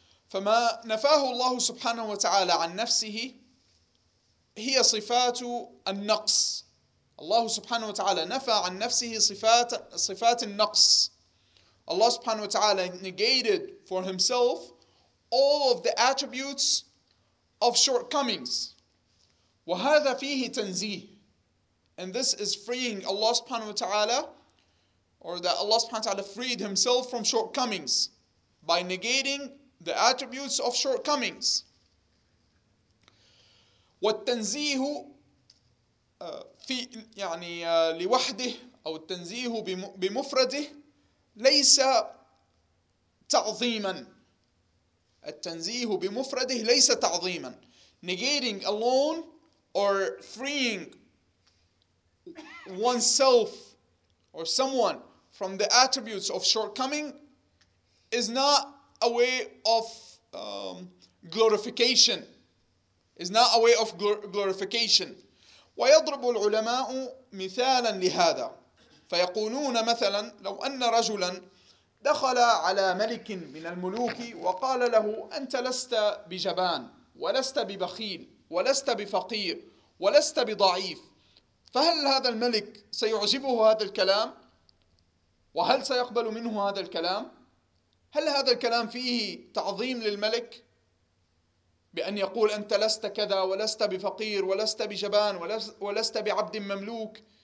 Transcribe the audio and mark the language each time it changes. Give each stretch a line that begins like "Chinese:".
Arabic: فما نفاه الله سبحانه وتعالى عن نفسه هي صفات النقص. الله سبحانه وتعالى نفى عن نفسه صفات النقص.
English: الله سبحانه وتعالى negated for himself all of the attributes of shortcomings.
Arabic: وهذا فيه تنزيه.
English: And this is freeing Allah سبحانه وتعالى, or that Allah سبحانه وتعالى freed himself from shortcomings by negating the attributes of shortcomings.
Arabic: والتنزيه في لوحده أو التنزيه بمفرده ليس تعظيما. التنزيه بمفرده ليس تعظيما.
English: Negating alone or freeing oneself or someone from the attributes of shortcoming is not a way of glorification. Is not a way of glorification.
Arabic: ويضرب العلماء مثالا لهذا. فيقولون مثلا لو أن رجلا دخل على ملك من الملوك وقال له أنت لست بجبان ولست ببخيل ولست بفقير ولست بضعيف, فهل هذا الملك سيعجبه هذا الكلام؟ وهل سيقبل منه هذا الكلام؟ هل هذا الكلام فيه تعظيم للملك بأن يقول أنت لست كذا ولست بفقير ولست بجبان ولست بعبد مملوك؟